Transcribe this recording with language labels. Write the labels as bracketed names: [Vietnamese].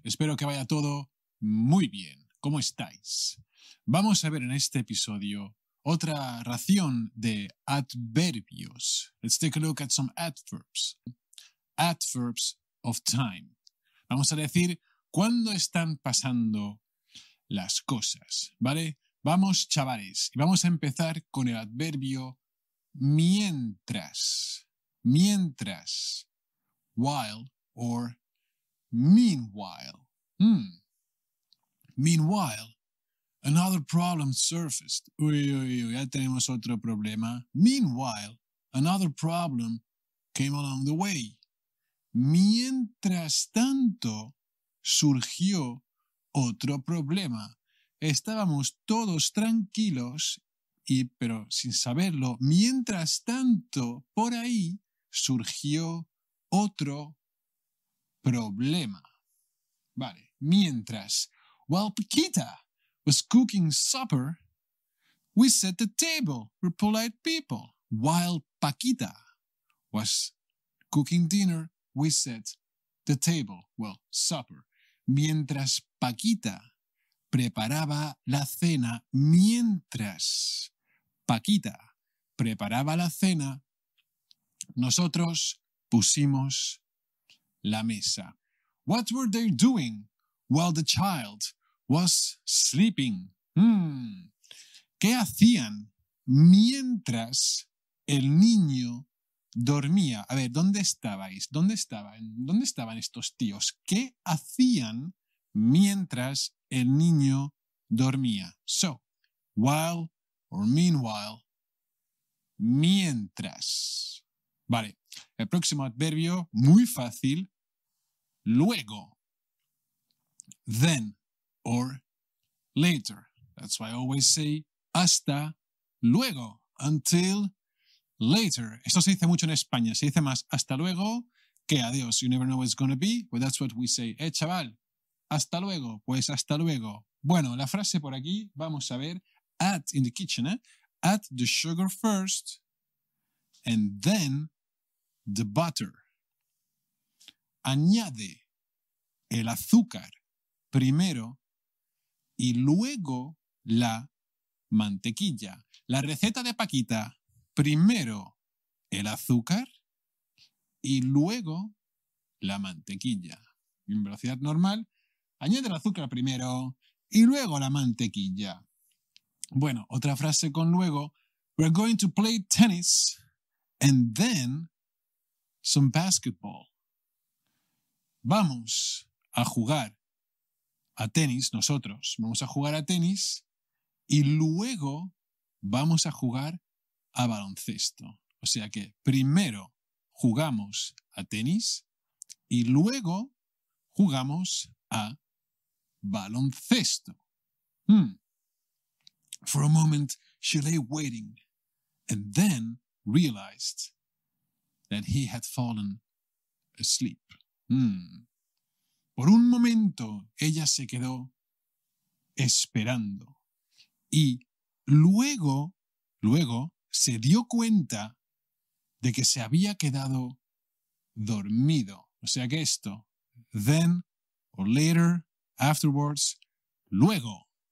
[Spanish] Espero que vaya todo muy bien. ¿Cómo estáis? Vamos a ver en este episodio otra ración de adverbios. [English] Let's take a look at some adverbs. Adverbs of time. [Spanish] Vamos a decir cuándo están pasando las cosas, ¿vale? Vamos, chavales, y vamos a empezar con el adverbio mientras. [English] Mientras. While or meanwhile. Meanwhile, another problem surfaced. [Spanish] Uy, uy, uy, ya tenemos otro problema. [English] Meanwhile, another problem came along the way. [Spanish] Mientras tanto, surgió otro problema. Estábamos todos tranquilos, pero sin saberlo, mientras tanto, por ahí surgió otro problema. Vale, mientras. [English] While Paquita was cooking supper, we set the table. We're polite people. While Paquita was cooking dinner, we set the table. Well, supper. [Spanish] Mientras Paquita preparaba la cena, mientras Paquita preparaba la cena, nosotros pusimos la mesa. [English] What were they doing while the child was sleeping? [Spanish] ¿Qué hacían mientras el niño dormía? A ver, ¿dónde estabais? ¿Dónde estaban estos tíos? ¿Qué hacían mientras el niño dormía? [English] So, while or meanwhile, mientras. [Spanish] Vale, el próximo adverbio, muy fácil, luego. [English] Then or later. That's why I always say [Spanish] hasta luego, [English] until later. [Spanish] Esto se dice mucho en España, se dice más hasta luego que adiós. [English] You never know what it's going to be, but that's what we say. [Spanish] Chaval, hasta luego, pues hasta luego. Bueno, la frase por aquí, vamos a ver, [English] add in the kitchen, add the sugar first and then the butter. [Spanish] añade el azúcar primero y luego la mantequilla. La receta de Paquita, primero el azúcar y luego la mantequilla. En velocidad normal, añade el azúcar primero y luego la mantequilla. Bueno, otra frase con luego. [English] We're going to play tennis and then some basketball. [Spanish] Vamos a jugar a tenis nosotros. Vamos a jugar a tenis y luego vamos a jugar a baloncesto. O sea que primero jugamos a tenis y luego jugamos a baloncesto. [English] For a moment, she lay waiting and then realized that he had fallen asleep. [Spanish] Por un momento, ella se quedó esperando y luego se dio cuenta de que se había quedado dormido. O sea que esto, [English] then or later, afterwards, [Spanish] luego.